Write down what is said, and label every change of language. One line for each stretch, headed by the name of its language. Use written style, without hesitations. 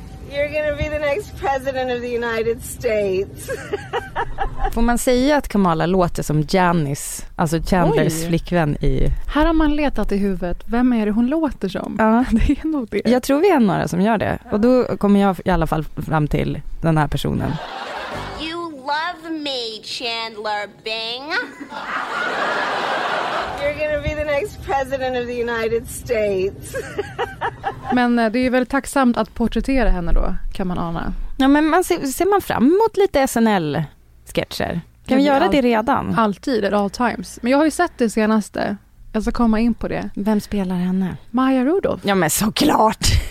English: You're gonna be the next president of the United States.
Swedish: Får man säga att Kamala låter som Janice, alltså Chandlers flickvän i... Här har man letat i huvudet. Vem är det hon låter som? Ja, det är nog det. Jag tror vi är några som gör det. Och då kommer jag i alla fall fram till den här personen.
English: You love me, Chandler Bing. You're gonna be the next president of the United States.
Swedish: Men det är ju väldigt tacksamt att porträttera henne då, kan man ana. Ja, men man ser man fram emot lite SNL-sketcher? Kan vi göra det redan? Alltid,
English: at all times.
Swedish: Men jag har ju sett det senaste. Jag ska komma in på det. Vem spelar henne? Maya Rudolph. Ja, men såklart!